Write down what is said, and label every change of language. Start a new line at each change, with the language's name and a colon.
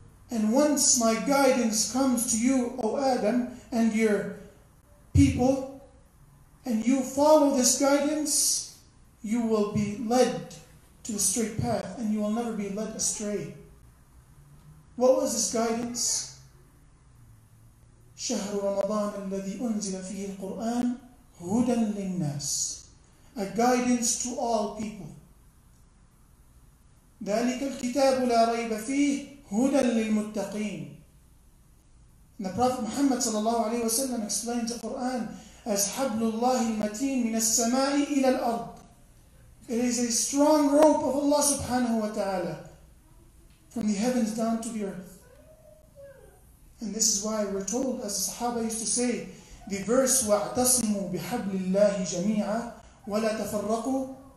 English: And once my guidance comes to you, O Adam, and your people, and you follow this guidance, you will be led to the straight path, and you will never be led astray. What was this guidance?
Arabic: شهر رمضان الذي أنزل فيه القرآن هدى للناس.
English: A guidance to all people.
Arabic: ذلك الكتاب لا ريب فيه هُدًى لِلْمُتَّقِينَ.
English: The Prophet Muhammad sallallahu alayhi wa sallam explains the Qur'an as
Arabic: حَبْلُ اللَّهِ الْمَتِينَ مِنَ السَّمَاءِ إِلَى الْأَرْضِ.
English: It is a strong rope of Allah subhanahu wa ta'ala, from the heavens down to the earth. And this is why we're told, as the Sahaba used to say, the verse
Arabic: وَاعْتَصِمُوا بِحَبْلِ اللَّهِ جَمِيعًا وَلَا تَفَرَّقُوا.